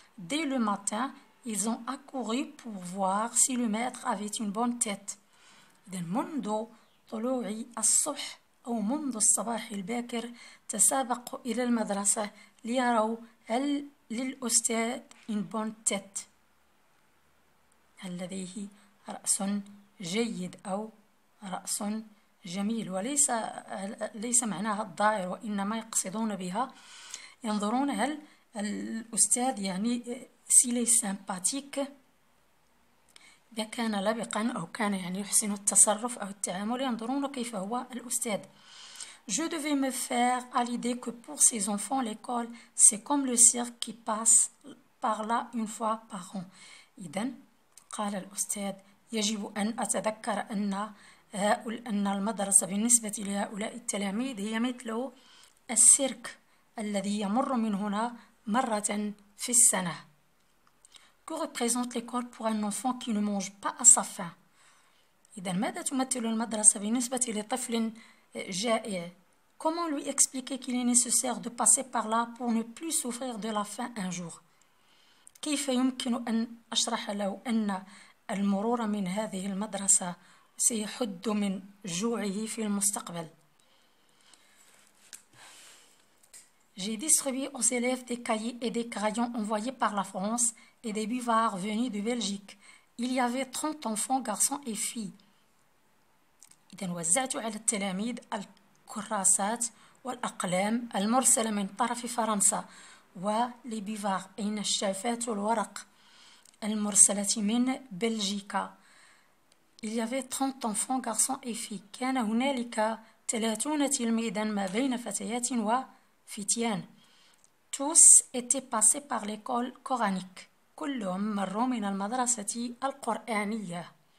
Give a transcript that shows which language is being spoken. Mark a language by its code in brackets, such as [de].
[fr] Dès le matin, ils ont accouru pour voir si le maître avait une bonne tête. [ar] إذن منذ طلوع الصبح أو منذ الصباح الباكر تسابقوا إلى المدرسة ليروا هل للأستاذ [fr] إن بون تيت، [ar] هل لديه رأس جيد أو رأس جميل، وليس معناها الظاهر، وإنما يقصدون بها ينظرون هل الأستاذ يعني [fr] سيلي سامباتيك، [ar] إذا كان لبقا أو كان يعني يحسن التصرف أو التعامل ينظرون كيف هو الأستاذ. [fr] Je devais me faire à l'idée que pour ces enfants, l'école, c'est comme le cirque qui passe par là une fois par an. [ar] إذن قال الأستاذ يجب أن أتذكر أن هؤلاء أن المدرسة بالنسبة لهؤلاء التلاميذ هي مثل السيرك الذي يمر من هنا مرة في السنة. [fr] Que représente l'école pour un enfant qui ne mange pas à sa faim? [ar] إذن ماذا تمثل المدرسة بالنسبة لطفل جائع؟ [fr] Comment lui expliquer qu'il est nécessaire de passer par là pour ne plus souffrir de la faim un jour? [ar] كيف يمكن أن أشرح له أن المرور من هذه المدرسة سيحد من جوعه في المستقبل؟ [fr] J'ai distribué aux élèves des cahiers et des crayons envoyés par la France et des buvards venus de Belgique. Il y avait 30 enfants, garçons et filles. [ar] إذن وزعت على التلاميذ الكراسات والأقلام المرسلة من طرف فرنسا [fr] ولي بيفار [ar] أين الشافات والورق المرسلة من بلجيكا. [fr] Il y avait 30 enfants, garçons et filles. [ar] كان هنالك 30 تلميذا ما بين فتيات وفتيان. [fr] Tous étaient passés par l'école coranique. [ar] كلهم مروا من المدرسة القرآنية.